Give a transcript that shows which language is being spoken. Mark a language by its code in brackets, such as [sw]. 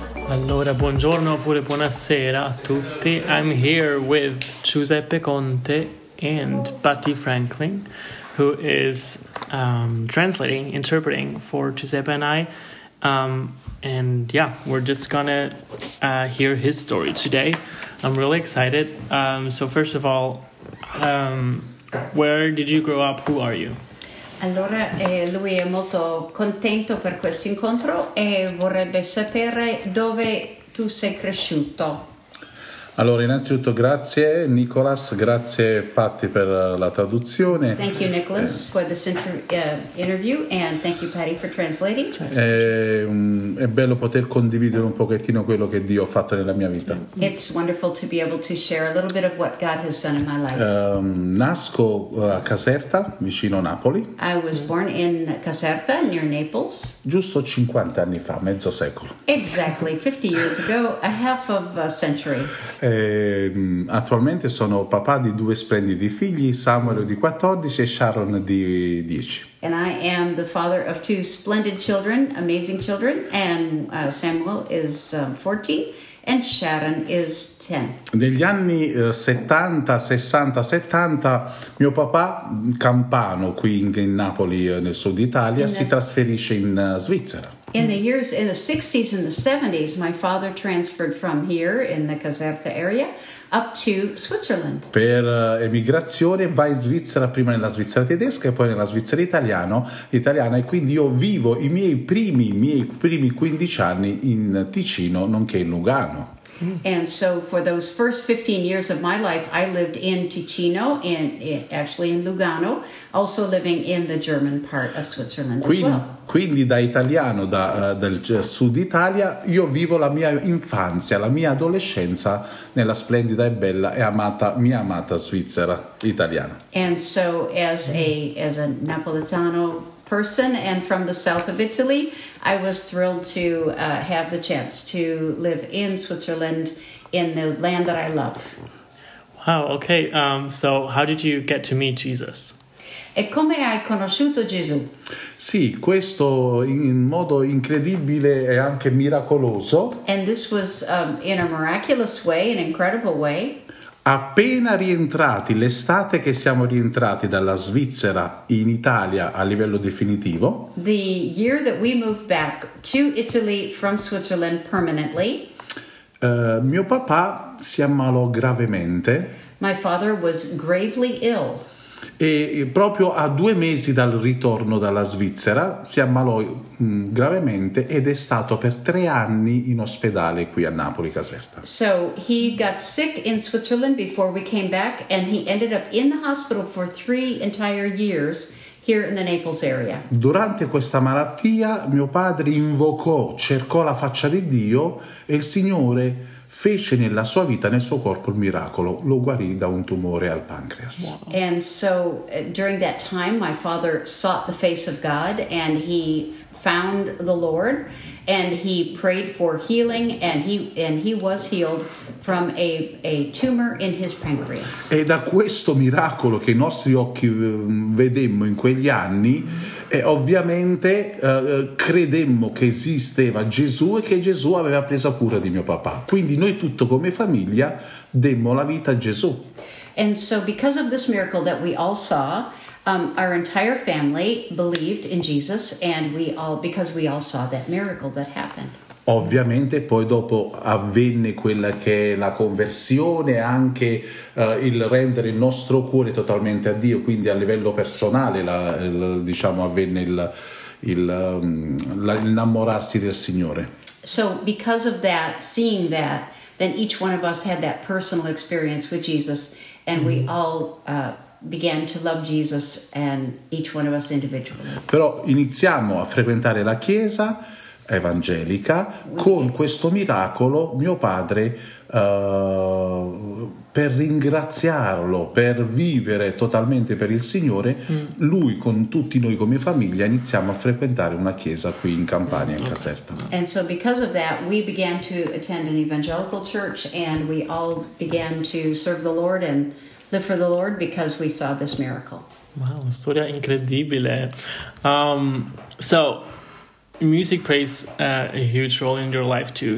[it] Allora, buongiorno oppure buonasera a tutti. [en] I'm here with Giuseppe Conte and Patty Franklin, who is interpreting for Giuseppe and I. And yeah, we're just gonna hear his story today. I'm really excited. So first of all, where did you grow up? Who are you? [it] Allora, lui è molto contento per questo incontro e vorrebbe sapere dove tu sei cresciuto. Allora, innanzitutto grazie Nicholas, grazie Patty per la traduzione. [en] Thank you Nicholas for this interview and thank you Patty for translating. [it] È bello poter condividere un pochettino quello che Dio ha fatto nella mia vita. [en] It's wonderful to be able to share a little bit of what God has done in my life. [it] Nasco a Caserta, vicino Napoli. [en] I was born in Caserta, near Naples. [it] Giusto 50 anni fa, mezzo secolo. [en] Exactly, 50 years ago, a half of a century. [it] Attualmente sono papà di due splendidi figli, Samuel di 14 e Sharon di 10. [en] And I am the father of two splendid children, amazing children, and Samuel is 14 and Sharon is 10. [it] Negli anni 70, 60, 70, mio papà, campano qui in Napoli, nel sud Italia, si trasferisce in Svizzera. [en] In the years in the 60s and the 70s, my father transferred from here in the Caserta area up to Switzerland. [it] Per emigrazione va in Svizzera, prima nella Svizzera tedesca e poi nella Svizzera italiana, e quindi io vivo i miei primi 15 anni in Ticino, nonché in Lugano. [en] And so for those first 15 years of my life, I lived in Ticino, in Lugano, also living in the German part of Switzerland [it] quindi, [en] as well. [it] Quindi da italiano, dal sud Italia, io vivo la mia infanzia, la mia adolescenza nella splendida e bella e amata, mia amata Svizzera italiana. [en] And so as a Napolitano person and from the south of Italy, I was thrilled to have the chance to live in Switzerland in the land that I love. Wow, okay. So how did you get to meet Jesus? [it] E come hai conosciuto Gesù? Sì, questo in modo incredibile e anche miracoloso. [en] And this was in a miraculous way, an incredible way. [it] Appena rientrati, l'estate che siamo rientrati dalla Svizzera in Italia a livello definitivo. [en] The year that we moved back to Italy from Switzerland permanently. [it] Mio papà si ammalò gravemente. [en] My father was gravely ill. [it] E proprio a due mesi dal ritorno dalla Svizzera si ammalò gravemente ed è stato per tre anni in ospedale qui a Napoli Caserta. [en] So he got sick in Switzerland before we came back and he ended up in the hospital for three entire years here in the Naples area. [it] Durante questa malattia mio padre invocò, cercò la faccia di Dio e il Signore fece nella sua vita, nel suo corpo, il miracolo. Lo guarì da un tumore al pancreas. Wow. [en] And so, during that time, my father sought the face of God, and he found the Lord, and he prayed for healing, and he was healed from a tumor in his pancreas. [it] E da questo miracolo che i nostri occhi vedemmo in quegli anni, e ovviamente credemmo che esisteva Gesù e che Gesù aveva preso cura di mio papà. Quindi noi tutto come famiglia demmo la vita a Gesù. [en] And so because of this miracle that we all saw, our entire family believed in Jesus and because we all saw that miracle that happened. [it] Ovviamente poi dopo avvenne quella che è la conversione, anche il rendere il nostro cuore totalmente a Dio, quindi a livello personale l'innamorarsi del Signore. [en] So because of that, seeing that, then each one of us had that personal experience with Jesus and we all began to love Jesus and each one of us individually. [it] Però iniziamo a frequentare la Chiesa. evangelica, con questo miracolo mio padre, per ringraziarlo, per vivere totalmente per il Signore, lui con tutti noi come famiglia iniziamo a frequentare una chiesa qui in Campania, in Caserta. [en] And so because of that we began to attend an evangelical church and we all began to serve the Lord and live for the Lord because we saw this miracle. [it] Wow, una storia incredibile. [en] So music plays a huge role in your life too.